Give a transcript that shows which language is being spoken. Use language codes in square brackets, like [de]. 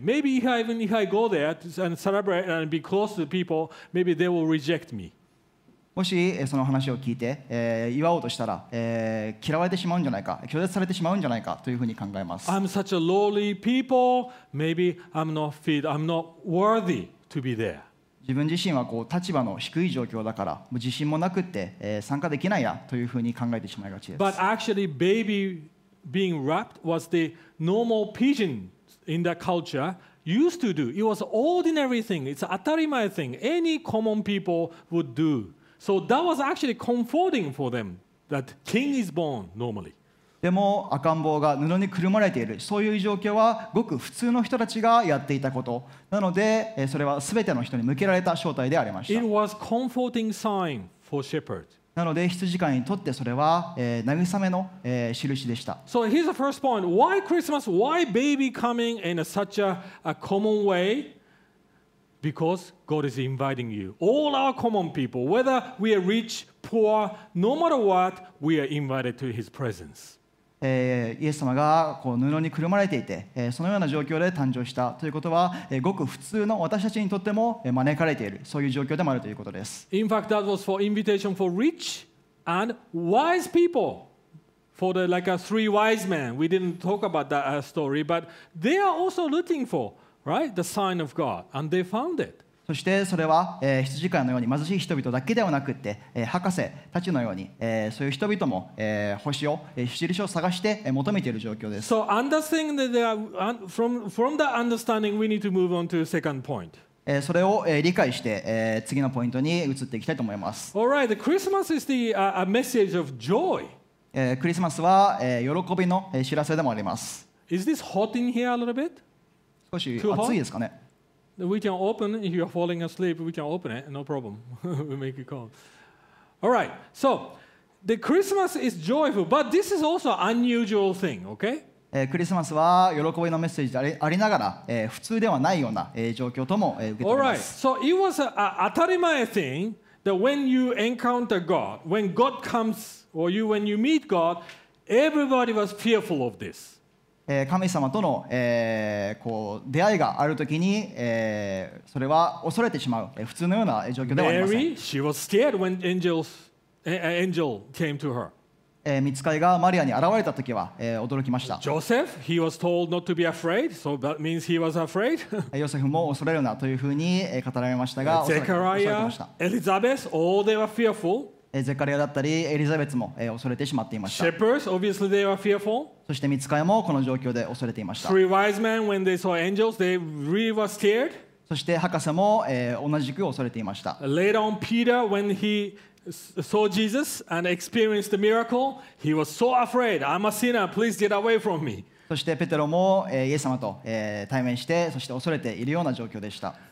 [en] Maybe if I go there and celebrate and be close to the people, maybe they will reject me. [ja] もしその話を聞いて、祝おうとしたら、嫌われてしまうんじゃないか、拒絶されてしまうんじゃないかというふうに考えます。 [en] I'm such a lowly people. Maybe I'm not fit. I'm not worthy to be there. [ja] 自分自身はこう立場の低い状況だから、もう自信もなくって、参加できないやというふうに考えてしまいがちです。 [en] But actually, baby being wrapped was the normal pigeon in that culture. Used to do. It was ordinary thing. It's an atarimai thing. Any common people would do. So that was actually comforting for them that king is born normally. [ja] でも赤ん坊が布にくるまれている。そういう状況はごく普通の人たちがやっていたこと。なので、それはすべての人に向けられた招待でありました。 [en] It was comforting sign for shepherds. [ja] なので羊飼いにとってそれは、慰めの、印でした。 [en] So here's the first point. Why Christmas? Why baby coming in such a common way? Because God is inviting you. All our common people, whether we are rich, poor, no matter what, we are invited to His presence. [ja] イエス様がこう布にくるまれていて、そのような状況で誕生したということは、ごく普通の私たちにとっても招かれている、そういう状況でもあるということです。 [en] In fact, that was for invitation for rich and wise people. For the like a three wise men. We didn't talk about that story, but they are also looking for, right, the sign of God, and they found it. [ja] そしてそれは、羊飼いのように貧しい人々だけではなくって、博士たちのように、そういう人々も、星を、印を探して、求めている状況です。 [en] So understanding that they are, from that understanding, we need to move on to the second point. [ja] それを、理解して、次のポイントに移っていきたいと思います。 [en] All right, the Christmas is the, a message of joy. [ja] クリスマスは、喜びの知らせでもあります。 [en] Is this hot in here a little bit? [ja] 少し暑いですかね。 [en] We can open if you're falling asleep. We can open it, no problem. We make it cold. All right. So the Christmas is joyful, but this is also an unusual thing. Okay? [ja] クリスマスは喜びのメッセージでありながら、普通ではないような、状況とも、受け取ります。 [en] All right. So it was a 当たり前 thing that when you encounter God, when God comes, or you when you meet God, everybody was fearful of this. [ja] 神様との、こう出会いがあるときに、それは恐れてしまう、普通のような状況ではありません。 [en] Mary, she was scared when angel came to her. [ja] 御使いがマリアに現れたときは、驚きました。 [en] Joseph, he was told not to be afraid, so that means he was afraid. [ja] ヨセフも恐れるなというふうに語られましたが、恐れてました。 [en] Elizabeth, all they were fearful. [ja] ゼカリアだったりエリザベツも恐れてしまっていました。 [en] Shepherds, obviously they were fearful. [ja] そして御使いもこの状況で恐れていました。 [en] Three wise men, when they saw angels, they really were scared. [ja] そして博士も同じく恐れていました。 [en] Later on, Peter, when he saw Jesus and experienced the miracle, he was so afraid. I'm a sinner, please get away from me. [ja] そしてペテロもイエス様と対面して、そして恐れているような状況でした。